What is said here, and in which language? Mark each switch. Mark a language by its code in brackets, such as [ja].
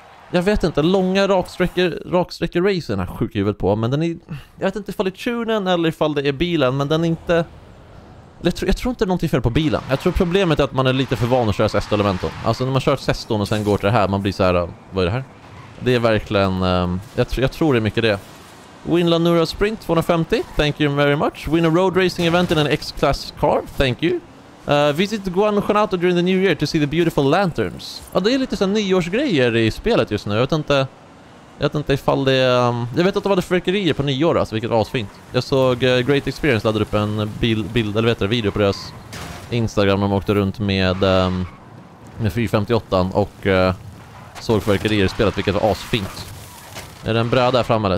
[sv] Jag vet inte, långa raksträckor race den här sjukhuvudet på, men den är, jag vet inte ifall det är tunen eller ifall det är bilen, men den är inte, jag tror inte det är någonting fel på bilen. Jag tror problemet är att man är lite för van att köra Sesto-elementon. Alltså när man kör Seston och sen går till det här, man blir så här, vad är det här? Det är verkligen, jag tror det är mycket det. [en] Win Lanura Sprint 250, thank you very much. Win a road racing event in an X-class car, thank you. Visit Guanajuato during the new year to see the beautiful lanterns. [sv] Ja, det är lite sån nyårsgrejer i spelet just nu. Jag vet inte ifall det är... Jag vet att de hade fyrkerier på nyår, alltså, vilket asfint. Jag såg Great Experience laddade upp en bild eller vet du, video på deras Instagram. De åkte runt med 458 och såg fyrkerier i spelet, vilket var asfint. Är det en bröd där framme eller?